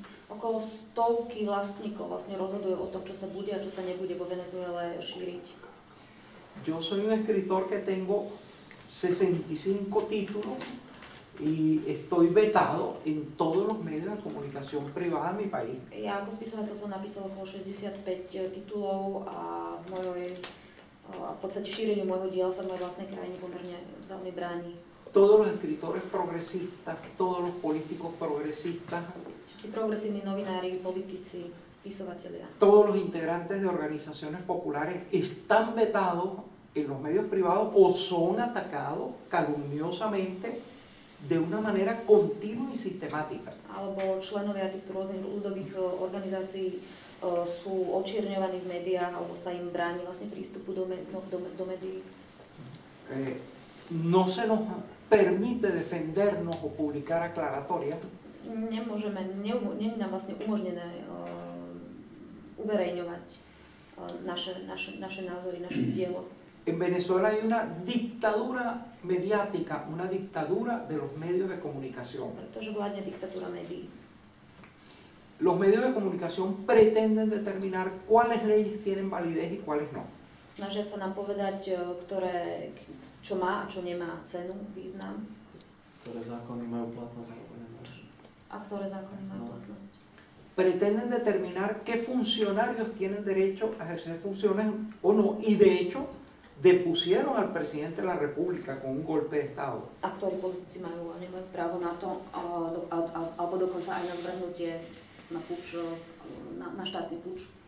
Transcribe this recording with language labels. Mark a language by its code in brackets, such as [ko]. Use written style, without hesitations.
[sk] Okolo stovky vlastníkov vlastne rozhoduje o tom, čo sa bude a čo sa nebude vo Venezuele šíriť. [es] Yo soy un escritor que tengo 65 títulos y estoy vetado en todos los medios de comunicación privada en mi país. [sk] Ja ako spisovateľ som napísal okolo 65 titulov a v podstate šíreniu môjho diela sa v mojej vlastnej krajine pomerne veľmi bráni. [es] Todos los escritores progresistas, todos los políticos progresistas. [sk] Všetci progresívni novinári, politici, spisovatelia. [es] Todos los integrantes de organizaciones populares están vetados en los medios privados o son atacados calumniosamente de una manera continua y sistemática. [sk] Alebo členovia týchto rôznych ľudových organizácií sú očierňovaní v médiách alebo sa im bráni vlastne prístupu do médií. [es] No se nos permite defendernos o publicar aclaratoria. [sk] Nemôžeme, není nám vlastne umožnené uverejňovať naše názory, naše dielo. [es] En Venezuela hay una dictadura mediática, una dictadura de los medios de comunicación. [sk] Pretože vládne diktatúra médií. [es] Los medios de comunicación pretenden determinar cuáles leyes tienen validez y cuáles no. [sk] Snažia sa nám povedať, ktoré, čo má a čo nemá cenu, význam. Ktoré zákony majú platnosť a ktoré nemajú. A ktoré zákony majú platnosť. [es] Pretenden determinar qué funcionarios tienen derecho a ejercer funciones o no. Y de hecho, depusieron al presidente de la República con un golpe de Estado. [sk] A ktorí politici majú a nemajú právo na to, alebo dokonca aj na zvrhnutie na štátny púč.